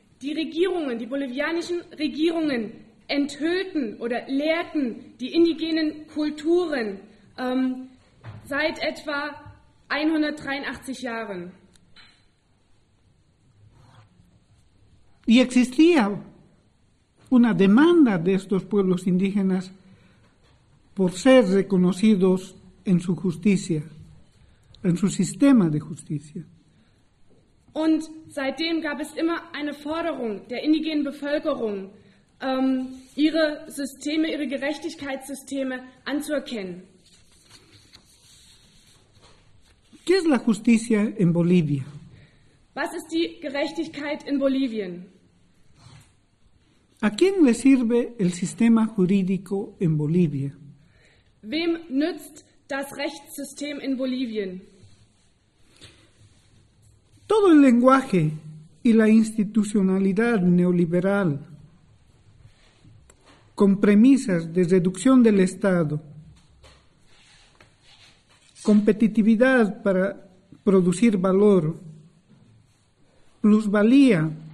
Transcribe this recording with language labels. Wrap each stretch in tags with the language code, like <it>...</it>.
<de>Die Regierungen, die bolivianischen Regierungen enthüllten oder leerten die indigenen Kulturen seit etwa 183 Jahren.</de> <es>Y existía una demanda de estos pueblos indígenas por ser reconocidos en su justicia, en su sistema de justicia.</es> <de>Und seitdem gab es immer eine Forderung der indigenen Bevölkerung, ihre Systeme, ihre Gerechtigkeitssysteme anzuerkennen.</de> <es>¿Qué es la justicia en Bolivia?</es> <de>Was ist die Gerechtigkeit in Bolivien?</de> <es>¿A quién le sirve el sistema jurídico en Bolivia?</es> <de>Wem nützt das Rechtssystem in Bolivien?</de> <es>Todo el lenguaje y la institucionalidad neoliberal con premisas de reducción del Estado, competitividad para producir valor, plusvalía.</es>